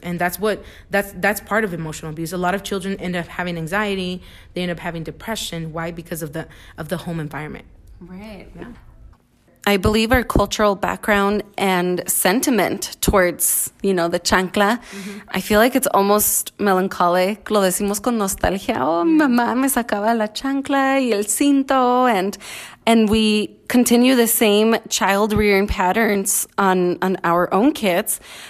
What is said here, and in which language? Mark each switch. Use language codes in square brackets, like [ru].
[en] And that's part of emotional abuse. A lot of children end up having anxiety. They end up having depression. Why? Because of the home environment. Right. Yeah. I believe our cultural background and sentiment towards, you know, the chancla, mm-hmm. I feel like it's almost melancholic. [es] Lo decimos con nostalgia. Oh, mamá me sacaba la chancla y el cinto. [en] And we continue the same child rearing patterns on our own kids.